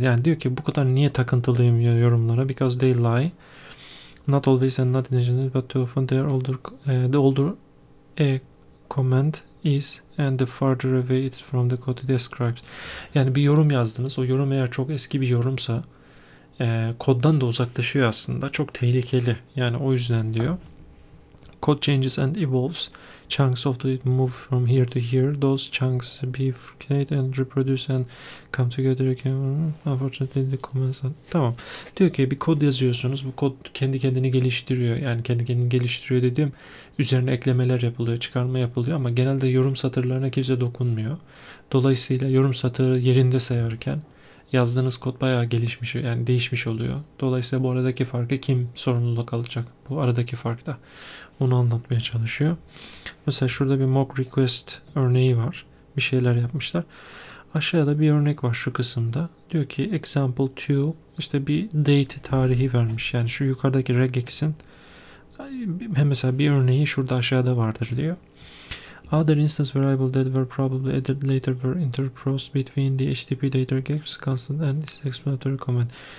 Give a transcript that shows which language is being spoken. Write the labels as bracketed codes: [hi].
[tr] Yani diyor ki bu kadar niye takıntılıyım yorumlara? [en] Because they lie. Not always and not intentionally, but too often the older a comment is and the farther away it's from the code it describes. [tr] Yani bir yorum yazdınız. O yorum eğer çok eski bir yorumsa koddan da uzaklaşıyor aslında. Çok tehlikeli. Yani o yüzden diyor. [en] Code changes and evolves. Chunks of it move from here to here. Those chunks bifurcate and reproduce and come together again. Unfortunately, the comments. [tr] Tamam. Diyor ki bir kod yazıyorsunuz. Bu kod kendi kendini geliştiriyor. Yani kendi kendini geliştiriyor dediğim üzerine eklemeler yapılıyor, çıkarma yapılıyor ama genelde yorum satırlarına kimse dokunmuyor. Dolayısıyla yorum satırı yerinde sayarken yazdığınız kod bayağı gelişmiş, yani değişmiş oluyor. Dolayısıyla bu aradaki farkı kim sorumluluk alacak? Bu aradaki farkta. Onu anlatmaya çalışıyor. Mesela şurada bir mock request örneği var. Bir şeyler yapmışlar. Aşağıda bir örnek var şu kısımda. Diyor ki example 2 işte bir date tarihi vermiş. Yani şu yukarıdaki regex'in mesela bir örneği şurada aşağıda vardır diyor. [en] Other instance variable that were probably added later were interposed between the HTTP data regex constant and its explanatory comment.